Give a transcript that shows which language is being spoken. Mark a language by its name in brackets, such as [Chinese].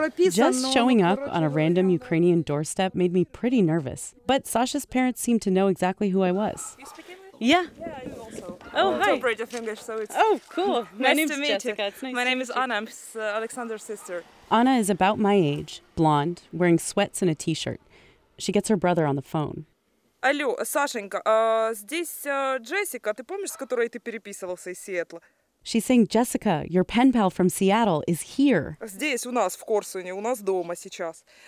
[English] Just showing up on a random Ukrainian doorstep made me pretty nervous. But Sasha's parents seemed to know exactly who I was. Yeah. Yeah, you also. Oh, hi. Don't break English, so it's... Oh, cool. Nice to meet Jessica. You. It's nice my name is Anna. I'm Alexander's sister. Anna is about my age, blonde, wearing sweats and a t-shirt. She gets her brother on the phone. [Russian] Алло, Сашенька, здесь Джессика. Ты помнишь, с которой ты переписывался из Сиэтла? [English] She's saying, Jessica, your pen pal from Seattle is here. [Russian] Здесь у нас, в Корсуне, у нас дома сейчас.